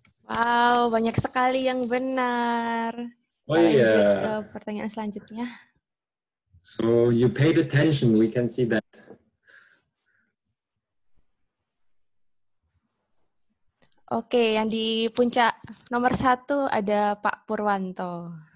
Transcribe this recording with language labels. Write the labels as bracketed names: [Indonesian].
[Indonesian] Wow, banyak sekali yang benar. Oh iya. Yeah. Ke pertanyaan selanjutnya. [English] So you paid attention, we can see that. [Indonesian] Oke, yang di puncak nomor satu ada Pak Purwanto.